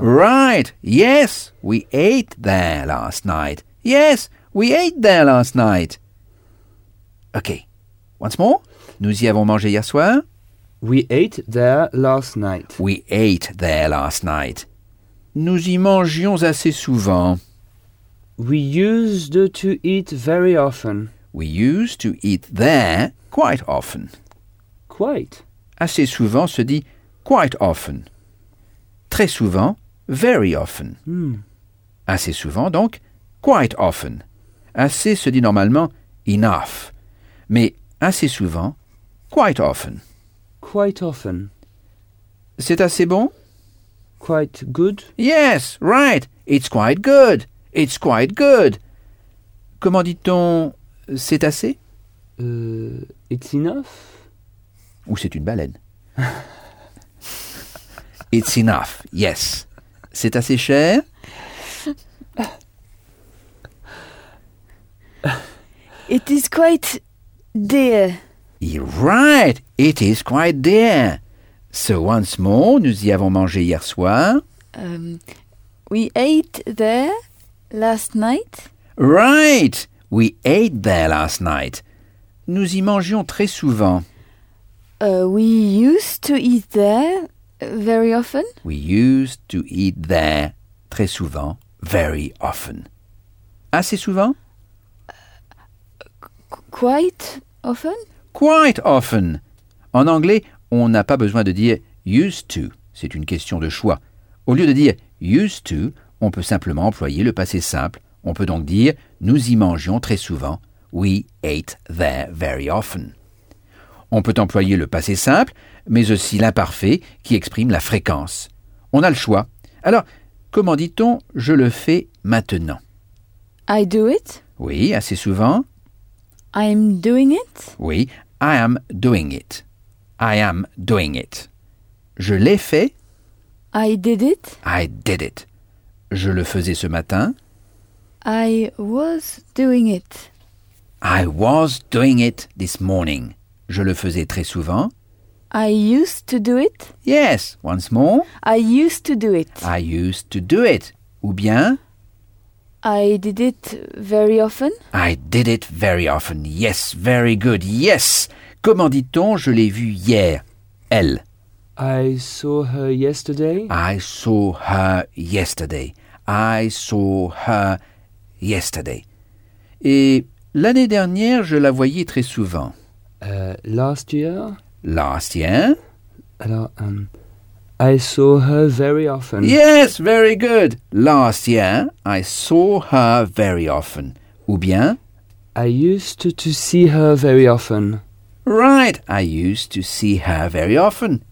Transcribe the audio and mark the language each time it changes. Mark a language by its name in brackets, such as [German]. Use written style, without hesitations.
[English] Right, yes, we ate there last night. Yes, we ate there last night. OK, once more. [French] Nous y avons mangé hier soir. [English] We ate there last night. We ate there last night. [French] Nous y mangions assez souvent. [English] We used to eat very often. We used to eat there quite often. Quite. [French] Assez souvent se dit [English] quite often. [French] Très souvent, [English] very often. Mm. [French] Assez souvent donc, [English] quite often. [French] Assez se dit normalement enough. Mais assez souvent, [English] quite often. Quite often. [French] C'est assez bon? [English] Quite good. Yes, right. It's quite good. It's quite good. [French] Comment dit-on c'est assez? [English] It's enough. [French] Ou c'est une baleine. [English] It's enough. Yes. [French] C'est assez cher? [English] It is quite dear. You're right, it is quite dear. So once more, [French] nous y avons mangé hier soir. [English] We ate there last night. Right, we ate there last night. [French] Nous y mangions très souvent. [English] We used to eat there very often. We used to eat there [French] très souvent, [English] very often. [French] Assez souvent? [English] Quite often. Quite often. [French] En anglais, on n'a pas besoin de dire [English] used to. [French] C'est une question de choix. Au lieu de dire [English] used to, [French] on peut simplement employer le passé simple. On peut donc dire nous y mangeons très souvent. [English] We ate there very often. [French] On peut employer le passé simple, mais aussi l'imparfait qui exprime la fréquence. On a le choix. Alors, comment dit-on je le fais maintenant? [English] I do it. [French] Oui, assez souvent. [English] I am doing it. Oui, I am doing it. I am doing it. [French] Je l'ai fait. [English] I did it. I did it. [French] Je le faisais ce matin. [English] I was doing it. I was doing it this morning. [French] Je le faisais très souvent. [English] I used to do it. Yes, once more. I used to do it. I used to do it. [French] Ou bien... [English] I did it very often. I did it very often. Yes, very good. Yes. [French] Comment dit-on je l'ai vue hier? Elle. [English] I saw her yesterday. I saw her yesterday. I saw her yesterday. [French] Et l'année dernière, je la voyais très souvent. [English] Last year. Last year. Alors, I saw her very often. Yes, very good. Last year, I saw her very often. [French] Ou bien? [English] I used to see her very often. Right, I used to see her very often.